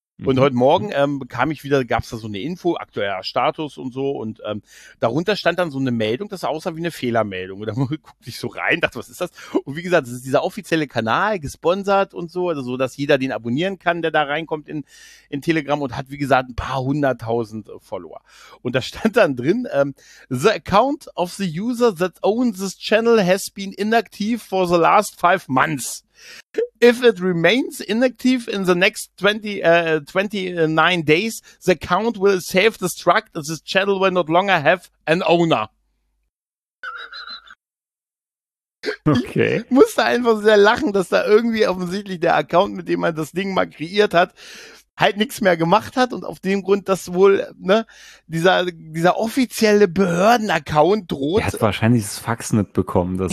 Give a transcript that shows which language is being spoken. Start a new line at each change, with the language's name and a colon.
German: Und heute Morgen kam ich wieder, gab es da so eine Info, aktueller Status und so. Und darunter stand dann so eine Meldung, das aussah wie eine Fehlermeldung. Und da guckte ich so rein, dachte, was ist das? Und wie gesagt, das ist dieser offizielle Kanal, gesponsert und so, also so, dass jeder den abonnieren kann, der da reinkommt in Telegram und hat, wie gesagt, ein paar hunderttausend Follower. Und da stand dann drin,
English: the account of the user that owns this channel has been inactive for the last 5 months. If it remains inactive in the next 29 days, the account will self-destruct as this channel will not longer have an owner.
German: Okay. Ich musste einfach sehr lachen, dass da irgendwie offensichtlich der Account, mit dem man das Ding mal kreiert hat, halt nichts mehr gemacht hat und auf dem Grund, dass wohl dieser offizielle Behörden-Account droht. Er hat wahrscheinlich das Fax nicht bekommen, dass